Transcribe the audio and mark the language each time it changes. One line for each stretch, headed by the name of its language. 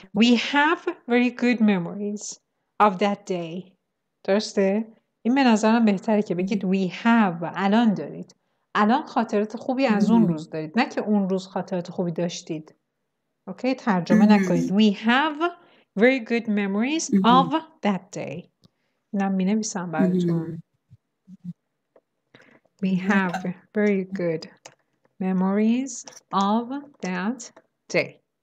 English: We have very good memories of that day.
Persian: درسته؟ این به نظرم بهتره که بگید
English: we have.
Persian: الان دارید. الان خاطرات خوبی از اون روز دارید. نه که اون روز خاطرات خوبی داشتید. اوکی؟ ترجمه نکنید.
English: We have very good memories of that day.
Persian: اینم می نویسم براتون.
English: We have very good memories of that day.